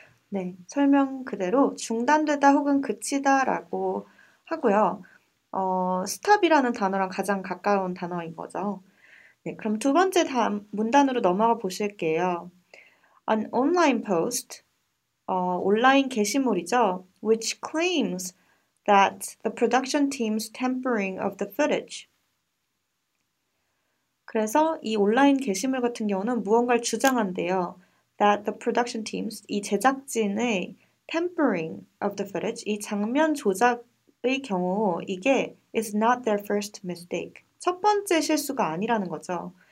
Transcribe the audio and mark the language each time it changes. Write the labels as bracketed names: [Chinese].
[Korean] 네, 설명 그대로 중단되다 혹은 그치다라고 하고요. 스탑이라는 단어랑 가장 가까운 단어인 거죠. 네, 그럼 두 번째 문단으로 넘어가 보실게요. [English] An online post, [Korean] 온라인 게시물이죠. [English] Which claims that the production team's tampering of the footage. [Korean] 그래서 이 온라인 게시물 같은 경우는 무언가를 주장한대요. [English] that the production teams, [Korean] 이 제작진의 [English] tampering of the footage, [Korean] 이 장면 조작의 경우 이게 [English] is not their first mistake. [Korean] 첫 번째 실수가 아니라는 거죠.